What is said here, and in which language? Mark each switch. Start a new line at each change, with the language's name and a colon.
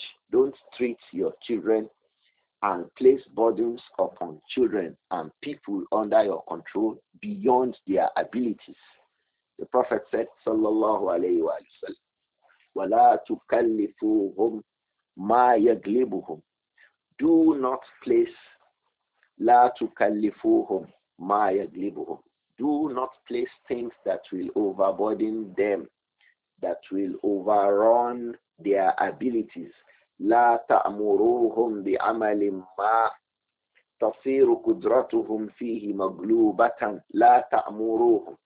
English: Don't treat your children and place burdens upon children and people under your control beyond their abilities. The Prophet said,
Arabic: sallallahu alayhi wa sallam, وَلَا تُكَلِّفُوهُمْ مَا يَغْلِبُهُمْ.
English: Do not place,
Arabic: لَا تُكَلِّفُوهُمْ مَا يَغْلِبُهُمْ.
English: Do not place things that will overburden them, that will overrun their abilities.
Arabic: لَا تَأْمُرُوهُمْ بِعَمَلٍ مَا تَصِيرُ قُدْرَتُهُمْ فِيهِ مَغْلُوبَةً. لَا تَأْمُرُوهُمْ.